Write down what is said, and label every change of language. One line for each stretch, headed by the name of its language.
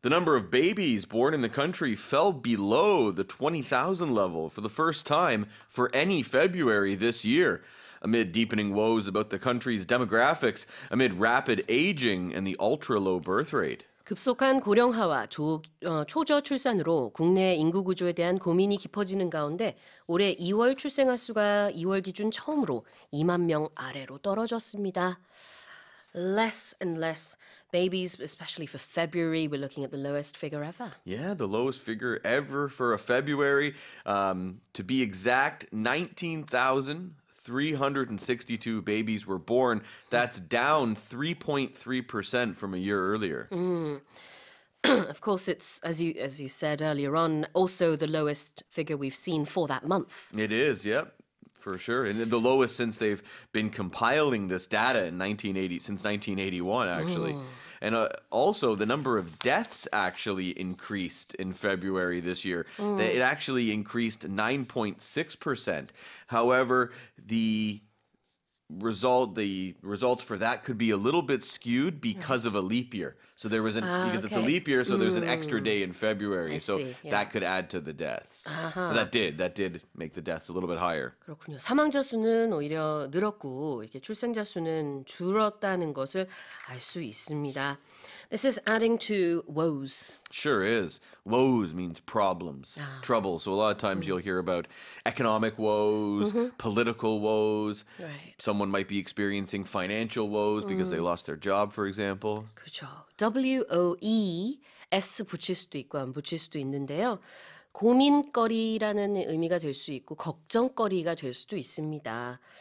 English: The number of babies born in the country fell below the 20,000 level for the first time for any February this year. Amid deepening woes about the country's demographics, amid rapid aging and the ultra-low birth rate.
Korean: 급속한 고령화와 초저출산으로 국내 인구구조에 대한 고민이 깊어지는 가운데 올해 2월 출생아 수가 2월 기준 처음으로 2만 명 아래로 떨어졌습니다.
English: Less and less babies, especially for February, we're looking at the lowest figure ever. Yeah, the lowest figure ever for a February. To be exact, 19,362 babies were born. That's down 3.3% from a year earlier. Of course, it's, as you said earlier on, also the lowest figure we've seen for that month. It is, yep. For sure. And the lowest since they've been compiling this data in 1980, since 1981, actually. Mm. And also, the number of deaths actually increased in February this year. Mm. It actually increased 9.6%. However, the results for that could be a little bit skewed because of a leap year. So there was it's a leap year, so there's an extra day in February. I so see, yeah. That could add to the deaths. Uh-huh. That did make the deaths a little bit higher.
Korean: 그렇군요. 사망자 수는 오히려 늘었고 이렇게 출생자 수는 줄었다는 것을 알 수 있습니다.
English: This is adding to woes. Sure is. Woes means problems, trouble. So a lot of times you'll hear about economic woes, political woes. Right. Someone might be experiencing financial woes because they lost their job, for example.
Korean: 그렇죠. W-O-E-S 붙일 수도 있고 안 붙일 수도 있는데요. 고민거리라는 의미가 될 수 있고 걱정거리가 될 수도 있습니다.